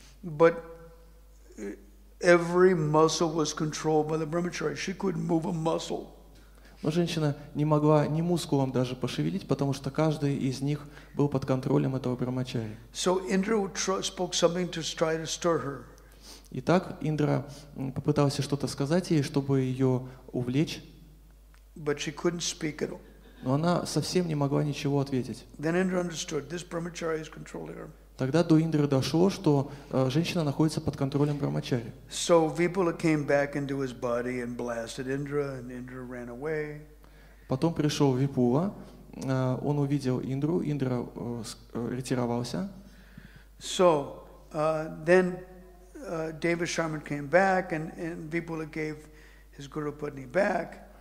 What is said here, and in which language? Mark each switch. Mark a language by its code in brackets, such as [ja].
[en] But every muscle was controlled by the brahmachari. She couldn't move a muscle. [ru] Но женщина не могла ни мускулом даже пошевелить, потому что каждый из них был под контролем этого брахмачари. [en] So Indra spoke something to try to stir her. [ru] Итак, Индра попытался что-то сказать ей, чтобы ее увлечь. [en] But she couldn't speak at all. [ru] Но она совсем не могла ничего ответить. [en] Then Indra understood this brahmachari is controlling her. [ru] Тогда до Индры дошло, что женщина находится под контролем брахмачари. [en] So Vipula came back into his body and blasted Indra, and Indra ran away. [ru] Потом пришел Випула, он увидел Индру, Индра ретировался. [en] So then Devasharman came back, and Vipula gave his guru Padni back.